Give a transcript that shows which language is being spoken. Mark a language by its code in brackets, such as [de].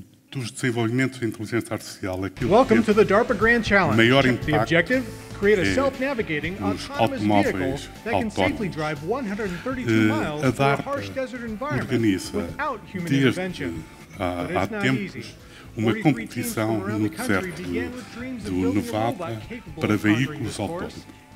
[pt] Dos desenvolvimentos da inteligência artificial, [en] welcome to the DARPA Grand Challenge. [pt] Maior impacto, [en] the objective, create a self-navigating autonomous vehicle that can safely drive 132 miles through a harsh desert environment without human intervention. [pt] Há tempos, uma competição no deserto do Nevada para veículos autônomos.